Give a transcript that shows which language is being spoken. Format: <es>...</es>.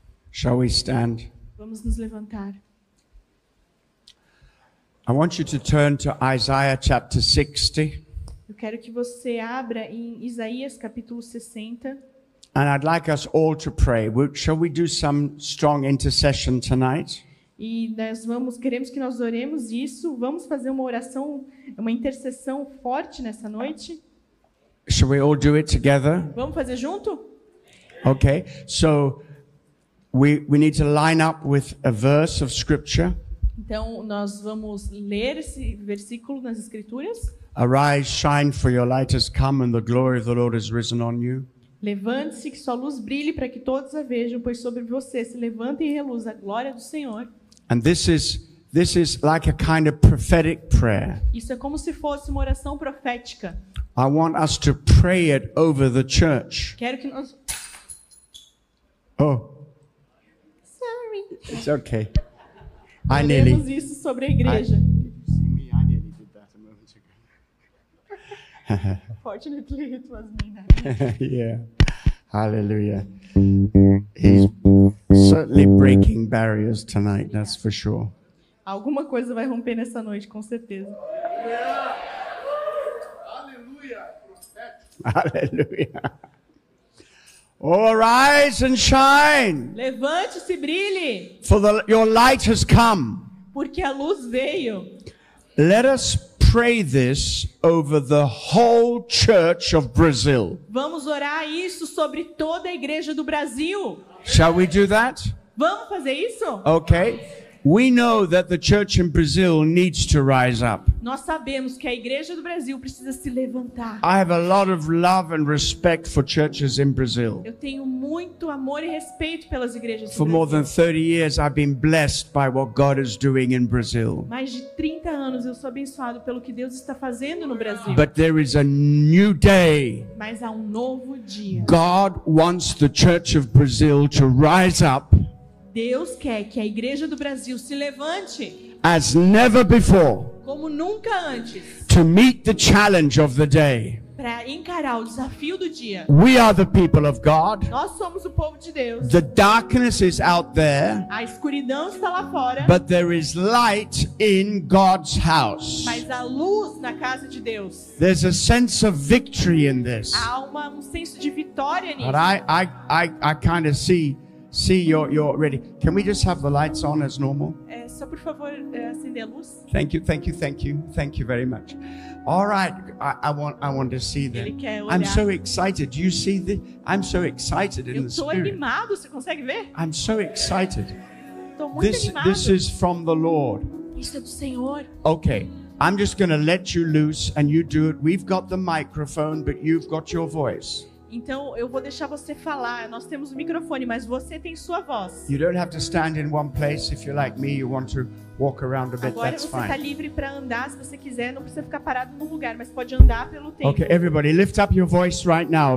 <en>Shall we stand?</en> <pt>Vamos nos levantar.</pt> <en>I want you to turn to Isaiah chapter 60.</en> <pt>Eu quero que você abra em Isaías capítulo 60.</pt> <en>And I'd like us all to pray. Shall we do some strong intercession tonight?</en> <pt>E nós vamos, queremos que nós oremos isso. Vamos fazer uma oração, uma intercessão forte nessa noite.</pt> <en>Shall we all do it together?</en> <pt>Vamos fazer junto?</pt> <en>Okay. So We need to line up with a verse of scripture.</en> <pt>Então nós vamos ler esse versículo nas escrituras.</pt> <en>Arise, shine, for your light has come, and the glory of the Lord has risen on you.</en> <pt>Levante-se, que sua luz brilhe, para que todos a vejam, pois sobre você se levanta e reluz a glória do Senhor.</pt> <en>And this is like a kind of prophetic prayer.</en> <pt>Isso é como se fosse uma oração profética.</pt> <en>I want us to pray it over the church.</en> <pt>Quero que nós.</pt> <en>Oh. It's okay. I nearly.</en> <pt>Isso sobre a igreja.</pt> <en>I nearly did that a moment ago. Fortunately, it was me. Yeah. Hallelujah. He's certainly breaking barriers tonight, yeah. That's for sure.</en> <pt>Alguma coisa vai romper nessa noite, com certeza.</pt> <en>Hallelujah. Hallelujah. Oh, arise and shine.</en> <pt>Levante-se e brilhe.</pt> <en>For your light has come.</en> <pt>Porque a luz veio.</pt> <en>Let us pray this over the whole church of Brazil.</en> <pt>Vamos orar isso sobre toda a igreja do Brasil.</pt> <en>Shall we do that?</en> <pt>Vamos fazer isso?</pt> <en>Okay. We know that the church in Brazil needs to rise up.</en> <pt>Nós sabemos que a igreja do Brasil precisa se levantar.</pt> <en>I have a lot of love and respect for churches in Brazil.</en> <pt>Eu tenho muito amor e respeito pelas igrejas do Brasil.</pt> <en>For more than 30 years I've been blessed by what God is doing in Brazil.</en> <pt>Mais de 30 anos eu sou abençoado pelo que Deus está fazendo no Brasil.</pt> <en>But there is a new day.</en> <pt>Mas há um novo dia.</pt> <en>God wants the church of Brazil to rise up.</en> <pt>Deus quer que a igreja do Brasil se levante.</pt> <en>As never before.</en> <pt>Como nunca antes.</pt> <en>To meet the challenge of the day.</en> <pt>Para encarar o desafio do dia.</pt> <en>We are the people of God.</en> <pt>Nós somos o povo de Deus.</pt> <en>The darkness is out there.</en> <pt>A escuridão está lá fora.</pt> <en>But there is light in God's house.</en> <pt>Mas há luz na casa de Deus.</pt> <en>There's a sense of victory in this.</en> <pt>Há um senso de vitória nisso.</pt> <en>But I kind of see you're ready. Can we just have the lights on as normal?</en> <pt>Só por favor, acender a luz.</pt> <en>Thank you. Thank you very much. All right, I want to see them.</en> <pt>Ele quer olhar.</pt> <en>I'm so excited. Do you see the? I'm so excited in the spirit.</en> <pt>Eu tô animado, você consegue ver?</pt> <en>I'm so excited.</en> <pt>Tô muito animado.</pt> <en>This is from the Lord.</en> <pt>Isso é do Senhor.</pt> <en>Okay. I'm just going to let you loose and you do it. We've got the microphone, but you've got your voice.</en> <pt>Então eu vou deixar você falar. Nós temos o microfone, mas você tem sua voz.</pt> <en>You don't have to stand in one place if you're like me, you want to walk around a bit.</en> <pt>Agora,</pt> <en>that's fine.</en> <pt>Agora você está livre para andar se você quiser, não precisa ficar parado num lugar, mas pode andar pelo tempo.</pt> <en>Okay, everybody, lift up your voice right now.</en>